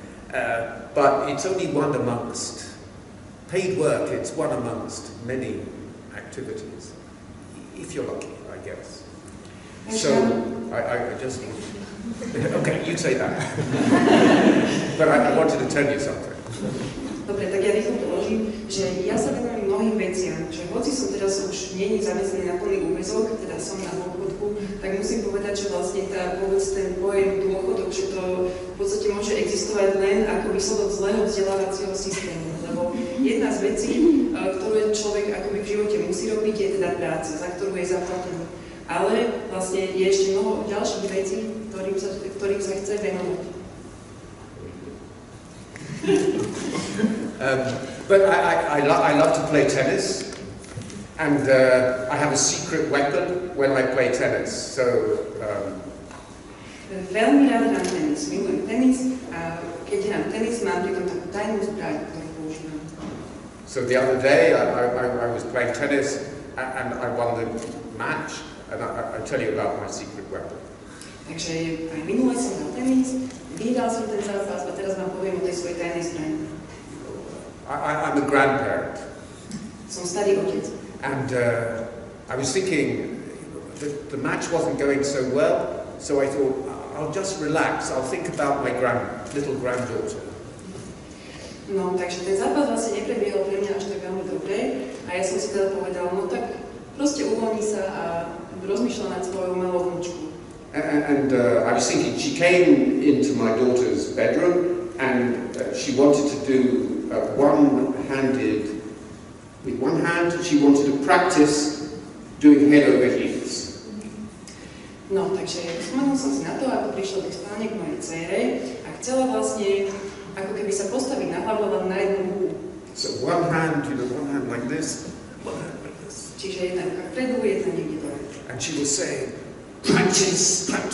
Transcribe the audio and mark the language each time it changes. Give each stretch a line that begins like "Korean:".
English: But it's only one amongst paid work, it's one amongst many activities, if you're lucky, I guess. So, I just want to... Okay, you say that. But I wanted to tell you something.
Slovak: Dobre, tak ja rýchlo položím, že ja sa venujem mnohým veciam, že hoci som teraz už neni zamestnaný na plný úmezok, teda som na dôchodku, tak musím povedať, že vlastne tá vôbec ten pojem dôchodok, že to v podstate môže existovať len ako výsledok zlého vzdelávacieho systému. Lebo jedna z vecí, ktorú človek akoby v živote musí robiť, je teda práca, za ktorú je zaplatený. Ale vlastne je ešte mnoho ďalších vecí, ktorým sa chce venovať.
English: But I love to play tennis, and I have a secret weapon when I play tennis, so...
Slovak: Veľmi rád hrám tenis, milujem tenis, a keď hrám tenis, mám pritom takú tajnú zbraň, ktorú používam.
English: So the other day I was playing tennis, and I won the match, and I'll tell you about my secret weapon.
Slovak: Takže aj minule som hral tenis, vyhral som ten zápas a teraz vám poviem o tej svojej tajnej zbrani.
English: I'm a grandparent.
Slovak: Som starý otec.
English: And I was thinking the match wasn't going so well, so I thought I'll just relax, I'll think about my little granddaughter.
Slovak: No, takže ten zápas vlastne neprebiehal pre mňa až tak veľmi dobre a ja som si teda povedal, no tak proste uvoľni sa a rozmýšľa nad svojou malou vnúčku.
English: And I was thinking, she came into my daughter's bedroom and she wanted to do with one hand, she wanted to practice doing head over heels.
Slovak: No, takže spomenul som si na to, ako prišiel do spálne k mojej dcere a chcela vlastne, ako keby sa postaviť na hlavu, len na jednu ruku.
English: So one hand, you know, one hand like this.
Slovak: Čiže jedna ruka vpredu, jedna niekde dole.
English: And she was saying, Practice.